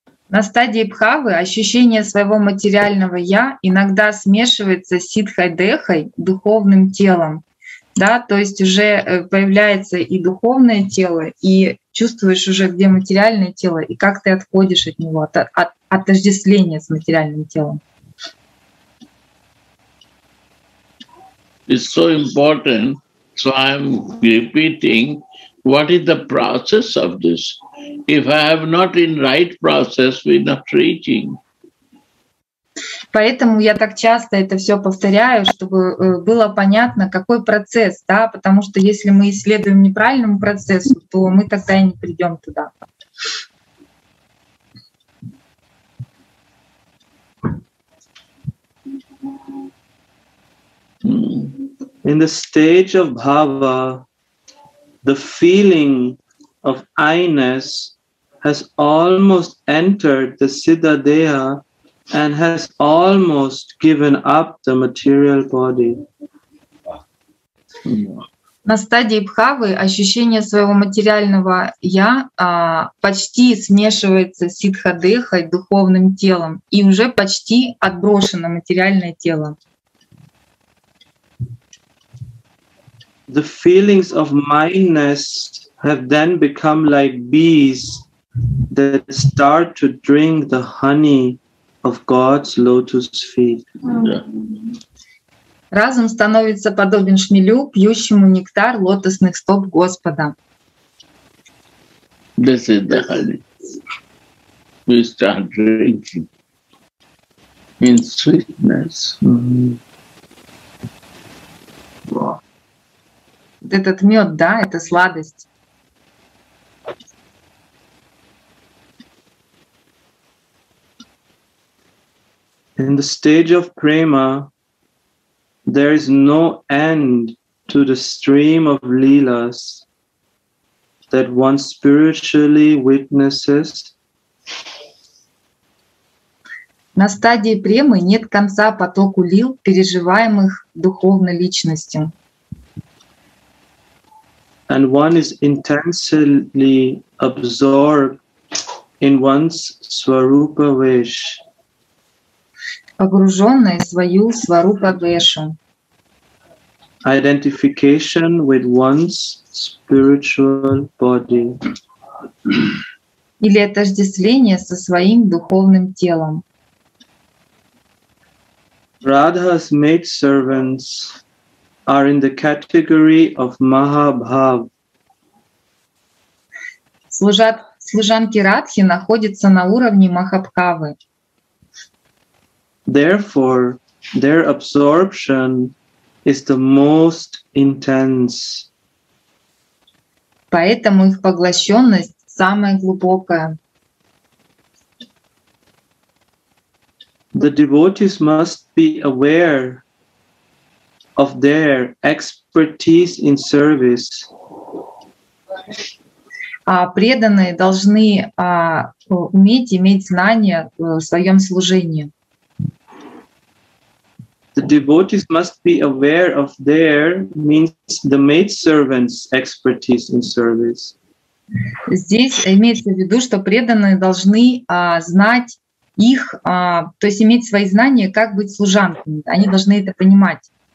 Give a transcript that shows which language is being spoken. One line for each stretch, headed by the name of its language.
Russian: На стадии бхавы ощущение своего материального «я» иногда смешивается с сиддхой-дехой, духовным телом. Да? То есть уже появляется и духовное тело, и чувствуешь уже, где материальное тело, и как ты отходишь от него, от отождествления с материальным телом.
English: It's so important, so I'm repeating, what is the process of this? If I have not in right process, we are not reaching.
Russian: Поэтому я так часто это все повторяю, чтобы было понятно, какой процесс, да? Потому что если мы исследуем неправильному процессу, то мы тогда и не придем туда.
English: In the stage of bhava, the feeling of I-ness has almost entered the siddha deha and has almost given up the material body.
Russian: На стадии бхавы ощущение своего материального я почти смешивается с сиддха-дехой, духовным телом, и уже почти отброшено материальное тело.
English: The feelings of mindness have then become like bees that start to drink the honey of God's lotus feet.
Russian: Разум становится подобен шмелю, пьющему нектар лотосных стоп Господа.
English: This is the honey. We start drinking in sweetness.
Russian: Вот этот мед, да, это сладость.
English: In the stage of prema, there is no end to the stream of lilas that one spiritually witnesses.
Russian: На стадии премы нет конца потоку лил, переживаемых духовной личностью.
English: And one is intensely absorbed in one's swarupa vesh.
Russian: Погруженная в свою сварупа-вешу.
English: identification with one's spiritual body.
Russian: Или отождествление со своим духовным телом.
English: Radha's maidservants are in the category of Mahabhav.
Russian: Служанки Радхи находятся на уровне Махабхавы.
English: Therefore, their absorption is the most intense.
Russian: Поэтому их поглощенность самая глубокая.
English: The devotees must be aware of their expertise in service.
Russian: Преданные должны уметь иметь знания в своем служении.
English: The devotees must be aware of their, means the maidservant's expertise in service.
Russian: Здесь имеется в виду, что преданные должны знать их, то есть иметь свои знания, как быть служанками. Они должны это понимать.